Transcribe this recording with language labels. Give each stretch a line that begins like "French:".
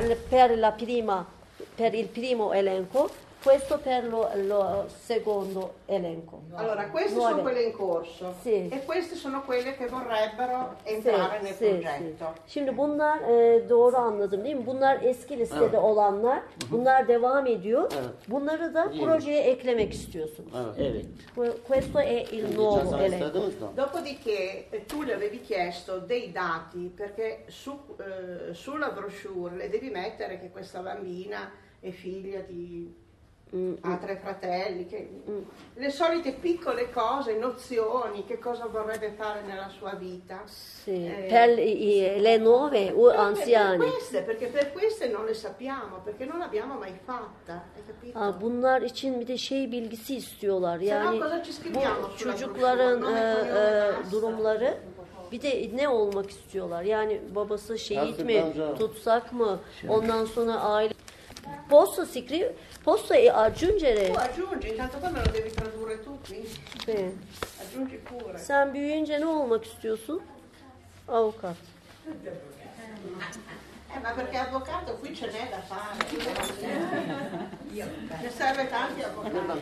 Italian: Per la prima, per il primo elenco, questo per lo secondo elenco. No. Allora, queste sono quelle in corso. Sì. E queste sono quelle che vorrebbero entrare nel progetto. Sì.
Turkish: Şimdi bunlar doğru anladım değil mi? Bunlar eski listede olanlar. Bunlar devam ediyor. Bunları da projeye eklemek istiyorsunuz. Evet.
Italian: Questo è il nuovo elenco. Dopodiché tu le avevi chiesto dei dati perché su sulla brochure le devi mettere che questa bambina è figlia di ha tre fratelli, che le solite piccole cose, nozioni, che cosa vorrebbe fare nella sua vita. Sì, le nuove o anziane. Perché queste non le sappiamo, perché non l'abbiamo mai fatta, hai capito?
Turkish: Bunlar için bir de bilgisi istiyorlar.
Italian: Yani cosa ci scriviamo
Turkish: sulla çocukların durumları. Bir de ne olmak istiyorlar? Yani babası şehit mi, tutsak mı? Ondan sonra aile...
Italian: Posso scrivere? Posso aggiungere? Tu aggiungi, intanto qua me lo devi tradurre tu qui. Bene. Aggiungi pure.
Turkish: Sen büyüyünce ne olmak istiyorsun? Avukat.
Italian: Ma perché avvocato qui ce n'è da fare. Ne serve tanti avvocati.